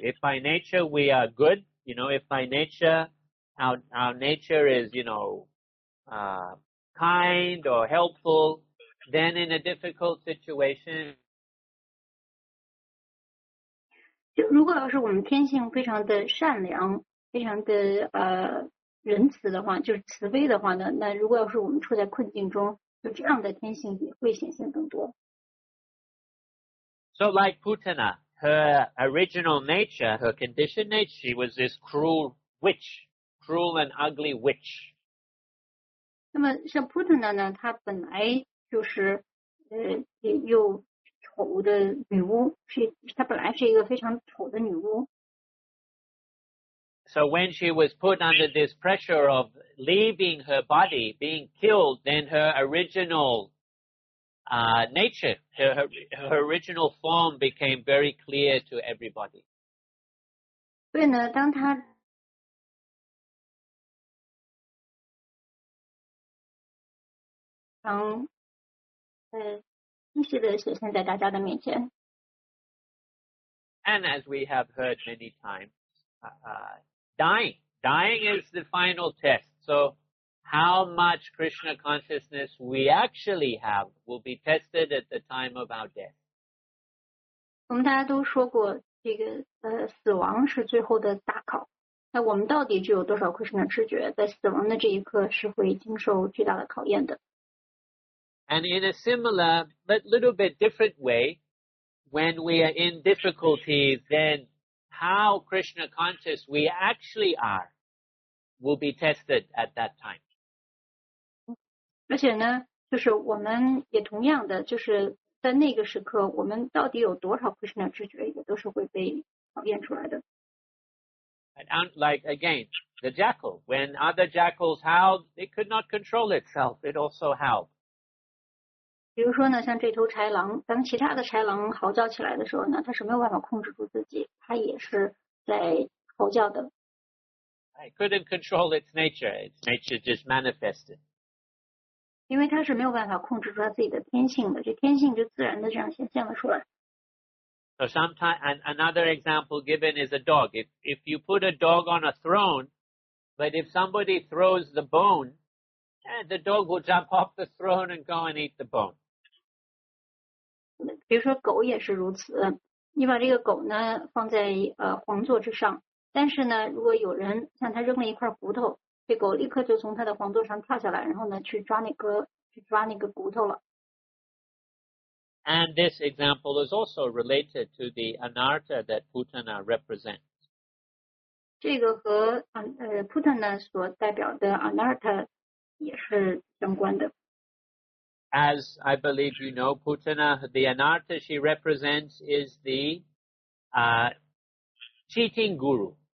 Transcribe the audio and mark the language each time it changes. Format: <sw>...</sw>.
<en>If by nature we are good, you know, if by nature our nature is, you know, kind or helpful, then in a difficult situation,</en> <zh>就如果要是我们天性非常的善良，非常的仁慈的话，就是慈悲的话呢，那如果要是我们处在困境中，就这样的天性也会显现更多。</zh> <en>So like Putana. Her original nature, her conditioned nature, she was this cruel witch, cruel and ugly witch.</en> <zh>那么像 Putana 呢，她本来就是又丑的女巫，她本来是一个非常丑的女巫。</zh> <en>So when she was put under this pressure of leaving her body, being killed, then her originalnature, her original form became very clear to everybody.</en> <zh>所以呢，当他常清晰的显现在大家的面前。</zh> <en>And as we have heard many times, dying is the final test. So. How much Krishna consciousness we actually have will be tested at the time of our death.</en> <zh>我们大家都说过，这个死亡是最后的大考。那我们到底具有多少 Krishna 知觉，在死亡的这一刻是会经受巨大的考验的。</zh> <en>And in a similar, but little bit different way, when we are in difficulties, then how Krishna conscious we actually are will be tested at that time.</en> <zh>而且呢，就是我们也同样的，就是在那个时刻，我们到底有多少 Krishna 知觉，也都是会被考验出来的。</zh> <en>And like again, the jackal, when other jackals howled, it could not control itself, it also howled.</en> <zh>比如说呢，像这头豺狼，当其他的豺狼嚎叫起来的时候呢，它是没有办法控制住自己，它也是在嚎叫的。</zh> <en>It couldn't control its nature just manifested.</en> <zh>因为它是没有办法控制住它自己的天性的，这天性就自然的这样显现了出来。</zh> <en>So sometimes, and another example given is a dog. If you put a dog on a throne, but if somebody throws the bone, the dog will jump off the throne and go and eat the bone.</en> <zh>比如说狗也是如此，你把这个狗呢放在皇座之上，但是呢如果有人向它扔了一块骨头，这狗立刻就从它的皇座上跳下来，然后呢去抓那个骨头了。</zh> <en>And this example is also related to the anarta that Putana represents.</en> <zh>这个和Putana 所代表的 anarta 也是相关的。</zh> <en>As I believe you know, Putana, the anarta she represents is the cheating guru.</en>